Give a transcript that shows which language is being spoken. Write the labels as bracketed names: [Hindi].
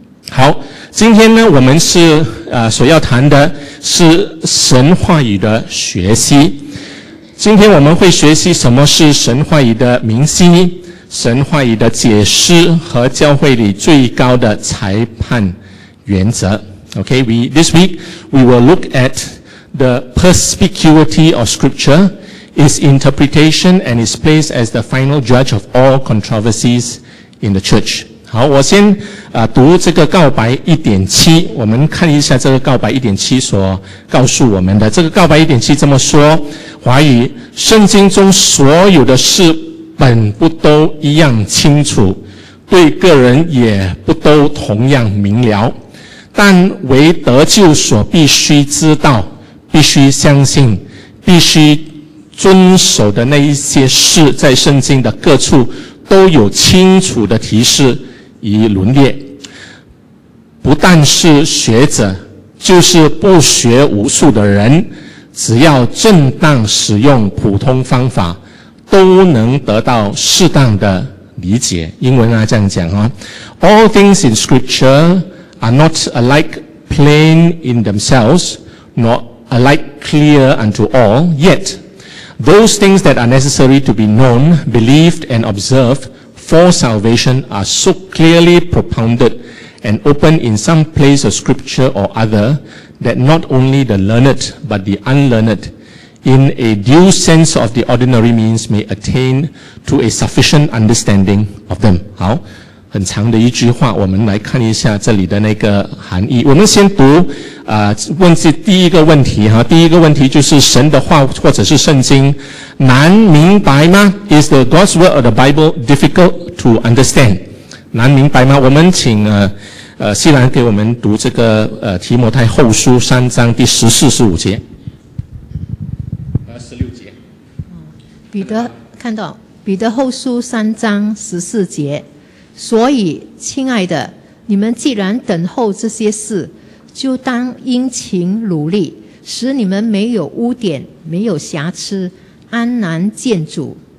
[Chinese] 好，今天呢我们是所要谈的是神话语的学习。今天我们会学习什么是神话语的明晰，神话语的解释和教会里最高的裁判原则。 [English] This week we will look at the perspicuity of scripture, its interpretation and its place as the final judge of all controversies in the church. [Chinese] 好，我先读这个告白 1.7， 我们看一下这个告白 1.7 所告诉我们的。这个告白 1.7 这么说，华语圣经中所有的事本不都一样清楚，对个人也不都同样明了，但唯得救所必须知道，必须相信，必须遵守的那一些事，在圣经的各处都有清楚的提示与伦列。不但是学者，就是不学无术的人，只要正当使用普通方法，都能得到适当的理解。英文啊，这样讲啊， [English] All things in scripture are not alike plain in themselves, nor alike clear unto all, yet those things that are necessary to be known, believed and observed for salvation are so clearly propounded and open in some place of scripture or other that not only the learned but the unlearned in a due sense of the ordinary means may attain to a sufficient understanding of them. [Chinese] 好，很长的一句话，我们来看一下这里的那个含义。我们先读问这第一个问题哈。第一个问题就是神的话或者是圣经难明白吗？ [English] Is the God's word or the Bible difficult to understand? [Chinese] 难明白吗？我们请希兰给我们读这个提摩太后书三章第十四十五节。彼得看到彼得后书三章十四节，所以亲爱的，你们既然等候这些事，就当殷勤努力，使你们没有污点，没有瑕疵，安然见主。